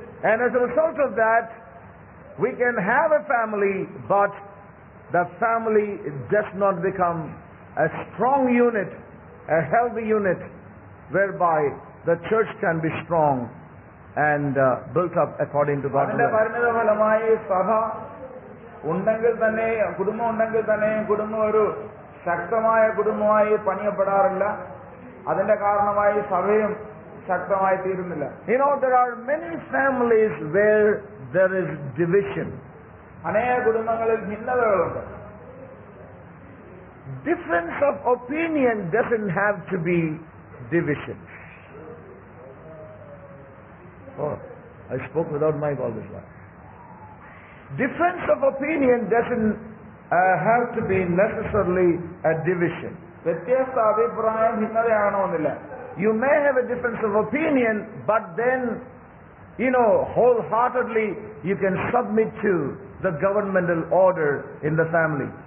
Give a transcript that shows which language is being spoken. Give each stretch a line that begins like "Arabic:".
English: And as a result of that, we can have a family, but the family does not become a strong unit, a healthy unit, whereby the church can be strong and built up according to God's will.
Malayalam: പരിണത ഫലമായി സഭ ഉണ്ടെങ്കിൽ തന്നെ, കുടുംബം ഉണ്ടെങ്കിൽ തന്നെ, കുടുംബം ഒരു ശക്തമായ കുടുംബമായി പണിയപ്പെടാറില്ല. അതിന്റെ കാരണമായി സഭയും ശക്തമായി തീരുന്നില്ല.
English: You know, there are many families where there is division.
Malayalam: അനേക കുടുംബങ്ങളിൽ ഭിന്നതകളുണ്ട്.
English: Difference of opinion doesn't have to be division. Oh, I spoke without mic all this while. Difference of opinion doesn't have to be necessarily a division.
Malayalam: വ്യത്യസ്ത അഭിപ്രായം ഭിന്നതയാണോന്നില്ല.
English: You may have a difference of opinion, but then, you know, wholeheartedly, you can submit to the governmental order in the family.